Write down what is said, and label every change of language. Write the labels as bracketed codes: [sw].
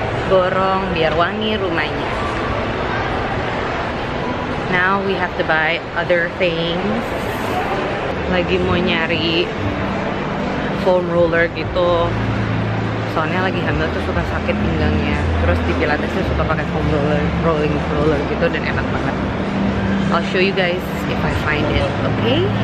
[id] Borong biar wangi rumahnya. [en] Now we have to buy other things. [id] Lagi mau nyari foam roller gitu. Soalnya lagi hamil tuh suka sakit pinggangnya. Terus di Pilatesnya suka pakai foam roller, rolling roller gitu, dan enak banget. [en] I'll show you guys if I find it, okay?